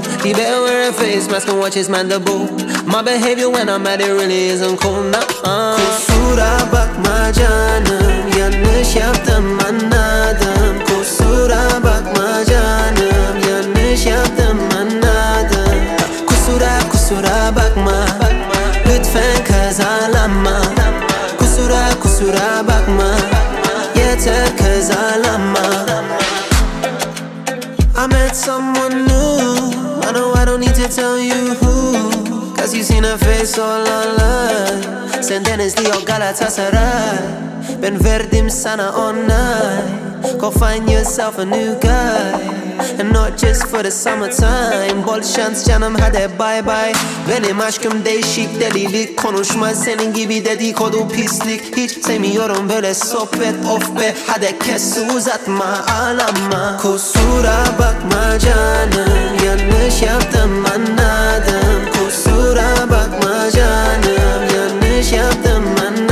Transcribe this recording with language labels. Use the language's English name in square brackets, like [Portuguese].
[English] He better wear a face mask and watch his mandible. My behavior when I'm mad, it really isn't cool. Nah. [Turkish] Kusura bakma canım, yanlış yaptım anladım. Kusura bakma canım, yanlış yaptım anladım. Kusura kusura bakma, lütfen kazalanma. Kusura kusura bakma, yeter kazalanma. [English] I met someone new. I know I don't need to tell you who. Cause you've seen her face all online. [Turkish] Sen denizli o Galatasaray. Ben verdim sana onay. [English] Go find yourself a new guy. And not just for the summertime. [Turkish] Bol şans canım hadi bye bye. Benim aşkım değişik delilik. Konuşma senin gibi dedikodu pislik. Hiç sevmiyorum böyle sohbet of be. Hadi kes uzatma ağlama. Kusura bakma canım. Yanlış yaptım anladım. Kusura bakma canım. Yanlış yaptım anladım.